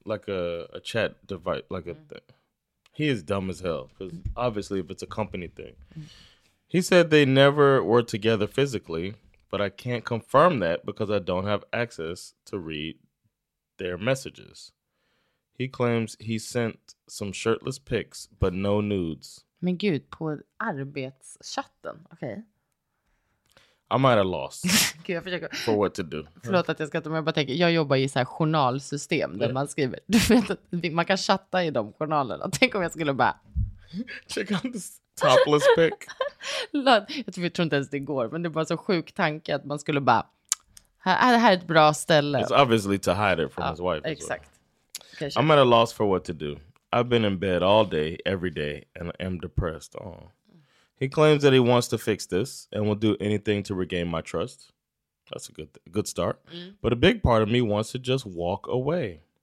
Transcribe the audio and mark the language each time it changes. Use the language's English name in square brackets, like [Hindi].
[English] Like a chat device, like a thing. He is dumb as hell, because obviously if it's a company thing. He said they never were together physically, but I can't confirm that because I don't have access to read their messages. He claims he sent some shirtless pics, but no nudes. [Swedish] Men gud, på arbetschatten, okej. [English] Okay. I might have lost. [Swedish] Okay, jag försöker. [English] For what to do. [Swedish] Förlåt att jag ska ta med, jag bara tänker, jag jobbar i så här journalsystem där man skriver. Du vet att man kan chatta i de journalerna. Tänk om jag skulle bara [English] check on this topless pic. [Swedish] jag tror inte ens det går, men det var så sjuk tanke att man skulle bara här är ett bra ställe. [English] It's obviously to hide it from his wife. [Swedish] Exakt. [English] Well. I'm at a loss for what to do. I've been in bed all day every day and I'm depressed. Oh. He claims that he wants to fix this and will do anything to regain my trust. That's a good start. Mm. But a big part of me wants to just walk away.